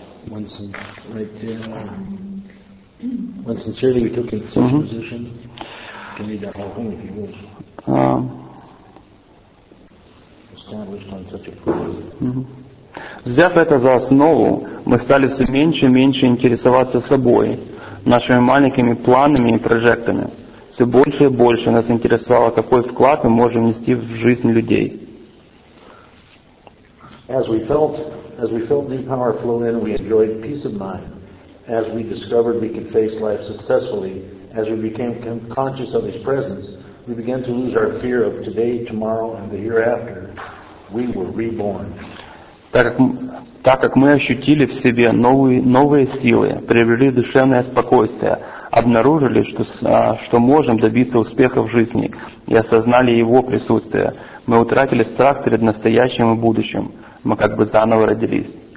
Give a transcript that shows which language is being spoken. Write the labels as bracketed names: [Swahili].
[English] When sincerely we took in such a mm-hmm. position, you can read that whole thing if you will. Established on such a footing. Mm-hmm. [Russian] Взяв это за основу, мы стали все меньше и меньше интересоваться собой, нашими маленькими планами и проектами. Все больше и больше нас интересовало, какой вклад мы можем внести в жизнь людей. [English] As we felt new power flow in, we enjoyed peace of mind. As we discovered we could face life successfully, as we became conscious of His presence, we began to lose our fear of today, tomorrow, and the hereafter. We were reborn. [Russian] Так как мы ощутили в себе новые силы, приобрели душевное спокойствие, обнаружили, что можем добиться успеха в жизни и осознали Его присутствие. Мы утратили страх перед настоящим и будущим. Мы как бы заново родились.